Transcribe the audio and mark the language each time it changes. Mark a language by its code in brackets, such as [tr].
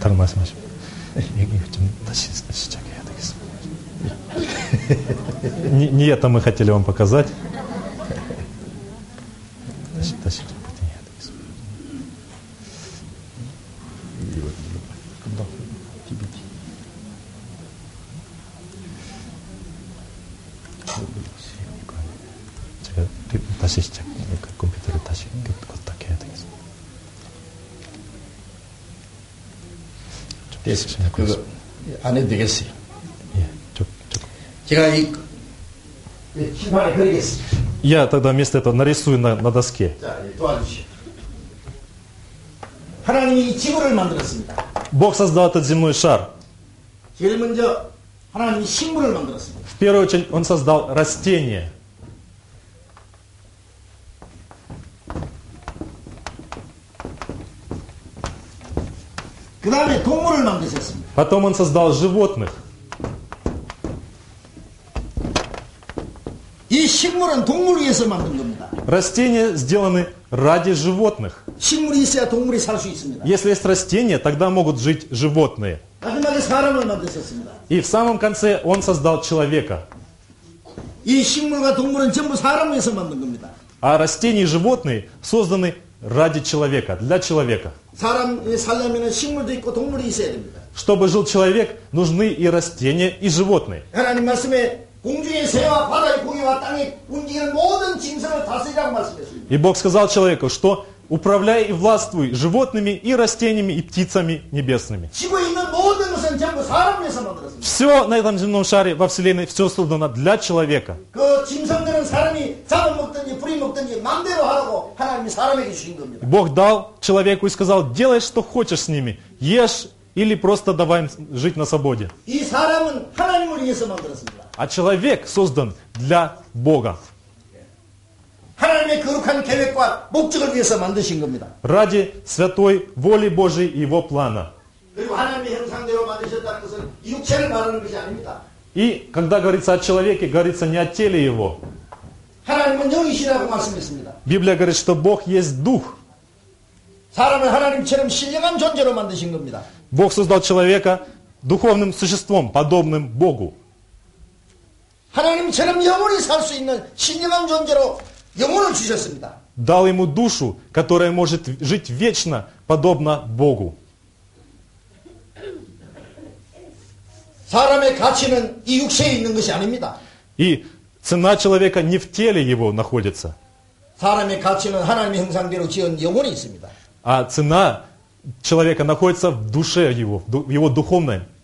[ko] 다른 말씀하시면 얘기 좀 다시 시작해야 되겠습니다. [ru] не это мы хотели вам показать. [ko] 다시 해야 되겠습니다. 제가 다시 시작. 그러니까 컴퓨터를 다시 껐다 해야 되겠습니다. 됐습니다. 그거 안 해도 되겠어요. 예, 조금. 제가 이 칠판에 그리겠습니다. [ru] 야, тогда вместо этого нарисую на доске. [ko] 자, 도와주시오. 하나님이 지구를 만들었습니다. [ru] Бог создал этот земной шар. [ko] 제일 먼저 하나님이 식물을 만들었습니다. [ru] В первую очередь он создал растения. [ko] 그 다음에 동물을 만드셨습니다. [ru] Потом он создал животных. [ko] 이 식물은 동물 위해서 만든 겁니다. [ru] Растения сделаны ради животных. [ko] 식물이 있어야 동물이 살 수 있습니다. [ru] Если есть растения, тогда могут жить животные. [ko] 마지막에 사람을 만드셨습니다. [ru] И в самом конце он создал человека. [ko] 이 식물과 동물은 전부 사람 위해서 만든 겁니다. [ru] А растения и животные созданы ради человека, для человека. [ko] 사람이 살려면 식물도 있고 동물이 있어야 됩니다. [ru] Чтобы жил человек, нужны и растения, и животные. [ko] 하나님 말씀에 공중의 새와 바다의 공기와 땅에 움직이는 모든 짐승을 다스리라고 말씀했습니다. [ru] И Бог сказал человеку, что управляй и властвуй животными, и растениями, и птицами небесными. [ko] 지구에 있는 모든 것은 전부 사람에서 만들었습니다. [ru] Все на этом земном шаре, во вселенной, все создано для человека. [ko] 그 짐승들은 사람이 잡아먹든지 부리먹든지 마음대로 하라고 하나님이 사람에게 주신 겁니다. [ru] Бог дал человеку и сказал, делай что хочешь с ними, ешь или просто давай им жить на свободе. [ko] 이 사람은 하나님을 위해서 만들었습니다. [ru] А человек создан для Бога. [ko] 하나님의 거룩한 계획과 목적을 위해서 만드신 겁니다. [ru] Ради святой воли Божией и его плана. [ko] 그리고 하나님의 형상대로 만드셨다는 것은 육체를 말하는 것이 아닙니다. [ru] И когда говорится о человеке, говорится не о теле его. [ko] 하나님은 영이시라고 말씀했습니다. [ru] Библия говорит, что Бог есть дух. [ko] 사람을 하나님처럼 신령한 존재로 만드신 겁니다. [ru] Бог создал человека духовным существом, подобным Богу. [ko] 하나님처럼 영원히 살 수 있는 신령한 존재로 영혼을 주셨습니다. [ru] Дал ему душу, которая может жить вечно, подобно Богу. [ko] 사람의 가치는 이 육체에 있는 것이 아닙니다. [ru] И цена человека не в теле его находится. [ko] 사람의 가치는 하나님의 형상대로 지은 영혼이 있습니다. [ru] А цена человека находится в душе его, в его духовной.